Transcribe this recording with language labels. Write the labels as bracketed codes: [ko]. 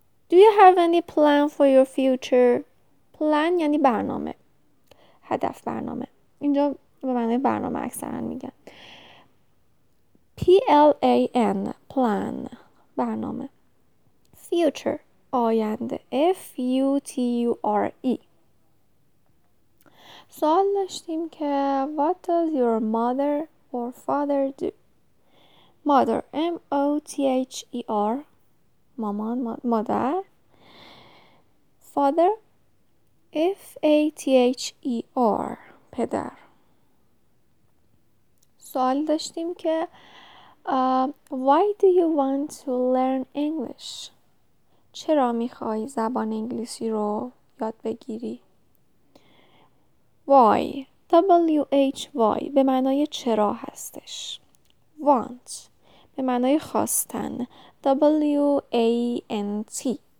[en] Do you have any plan for your future? [fa] Plan یعنی برنامه. هدف، برنامه. اینجا به معنی برنامه اکثرا میگن. P-L-A-N. Plan. برنامه. Future. آینده. F-U-T-U-R-E. سوال داشتیم که [en] What does your mother or father do? [fa] Mother. M-O-T-H-E-R. مامان، مادر. Father, F-A-T-H-E-R, پدر. سوال داشتیم که [en] Why do you want to learn English? [fa] چرا میخوای زبان انگلیسی رو یاد بگیری؟ Why, W-H-Y, به معنای چرا هستش. Want, به معنای خواستن. [en] W-A-N-T.